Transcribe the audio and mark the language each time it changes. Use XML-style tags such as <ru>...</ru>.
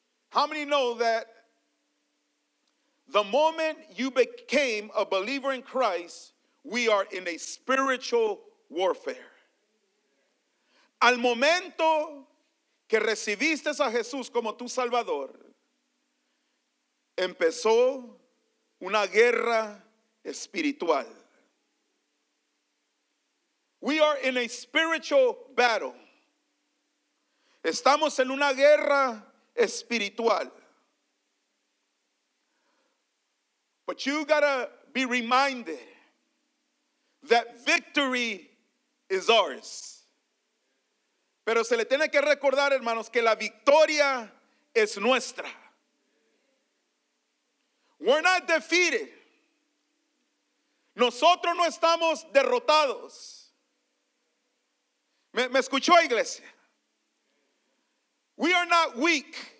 <en>How many know that the moment you became a believer in Christ, we are in a spiritual warfare.</en> <es>Al momento que recibiste a Jesús como tu Salvador, empezó una guerra espiritual.</es> <en>We are in a spiritual battle.</en> <es>Estamos en una guerra espiritual.</es> <en>But you gotta be reminded that victory is ours.</en> <es>Pero se le tiene que recordar, hermanos, que la victoria es nuestra.</es> <en>We're not defeated.</en> <es>Nosotros no estamos derrotados. ¿Me escuchó, iglesia?</es> <en>We are not weak.</en>